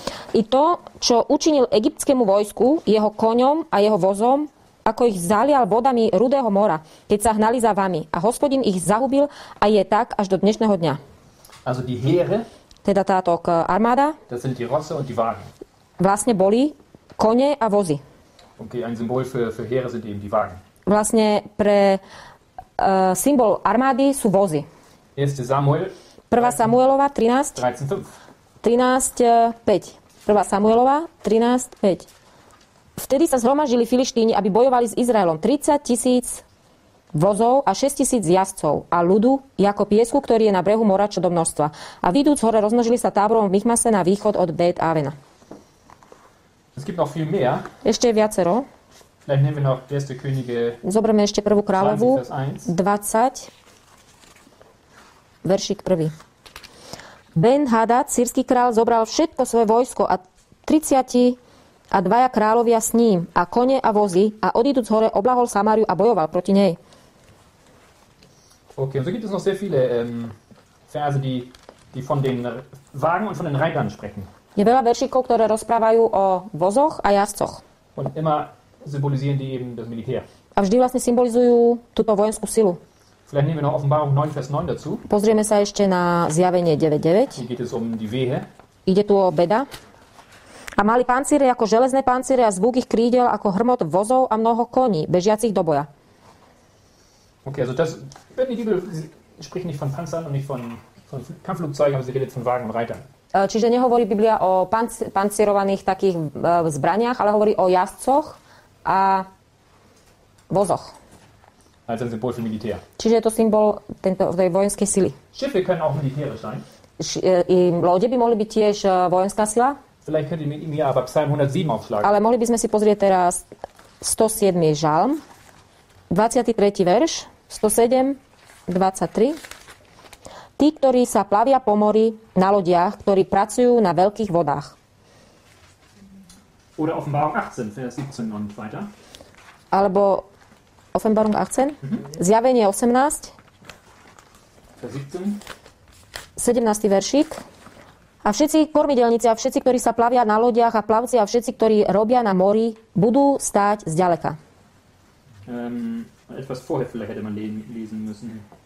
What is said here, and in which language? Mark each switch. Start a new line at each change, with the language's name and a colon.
Slovak: I to, čo učinil egyptskému vojsku, jeho koňom a jeho vozom, ako ich zalial vodami rudého mora, keď sa hnali za vami. A Hospodin ich zahubil a je tak až do dnešného dňa.
German: Also die Heere,
Slovak: teda táto armáda,
German: das sind die Rosse und die Wagen.
Slovak: Vlastne boli kone a vozy.
German: Okay, ein Symbol für Heere sind eben die Wagen.
Slovak: Vlastne pre symbol armády sú vozy.
German: 1. Samuel.
Slovak: 1. Samuelova 13. 13:5. 1. Samuelova 13:5. Vtedy sa zhromaždili Filištíni, aby bojovali s Izraelom. 30,000 vozov a 6,000 jazdcov a ľudu, ako piesku, ktorý je na brehu mora, čo do množstva. A vidúc hore, rozmnožili sa táborom v Michmase na východ od Bet Avena.
German: Es gibt noch viel mehr.
Slovak: Ešte viacero.
German: Vielleicht nehmen wir noch erste Könige.
Slovak: Zoberme ešte prvú kráľovú. 20. Veršik prvý. Ben-Hadad, sýrsky král, zobral všetko svoje vojsko a 30 a dvaja královia s ním a kone a vozy a odídu z hore oblahol Samáriu a bojoval proti nej.
German: Okay, und so gibt es noch sehr viele Verse, die von den Wagen und von den Reitern sprechen.
Slovak: Je veľa veršikov, ktoré rozprávajú o vozoch a jazdcoch.
German: Und immer symbolisieren die eben das Militär.
Slovak: A vždy vlastne symbolizujú túto vojenskú silu.
German: Vielleicht nehmen wir noch Offenbarung 9, Vers 9 dazu.
Slovak: Pozrieme sa ešte na Zjavenie 9:9.
German: Hier geht es um die Wehe.
Slovak: Ide tu o beda. A mali pancíre ako železné pancíre a zvuk ich krídel ako hrmot vozov a mnoho koní, bežiacich do boja.
German: Okay, also das, wenn die Bibel spricht nicht von Panzern und nicht von Kampfflugzeugen, aber sie redet von Wagen und Reitern.
Slovak: Čiže nehovorí Biblia o pancírovaných takých zbraniach, ale hovorí o jazdcoch a vozoch.
German: Also ein Symbol für Militär.
Slovak: Čiže je to symbol tej vojenskej sily.
German: Schiffe können auch militärisch sein.
Slovak: I lode by mohli byť tiež vojenská sila.
German: Vielleicht könnt ihr mir aber Psalm 107 aufschlagen.
Slovak: Ale mohli by sme si pozrieť teraz 107. žalm, 23. verš, 107, 23. Tí, ktorí sa plavia po mori na lodiach, ktorí pracujú na veľkých vodách.
German: Oder Offenbarung 18, Vers 17 und weiter.
Slovak: Alebo Offenbarung 18, Zjavenie 18,
German: Vers 17.
Slovak: 17. veršík. A všetci kormidelníci a všetci, ktorí sa plavia na lodiach a plavci a všetci, ktorí robia na mori, budú stáť zďaleka.
German: Etwas vorher vielleicht hätte man lesen müssen.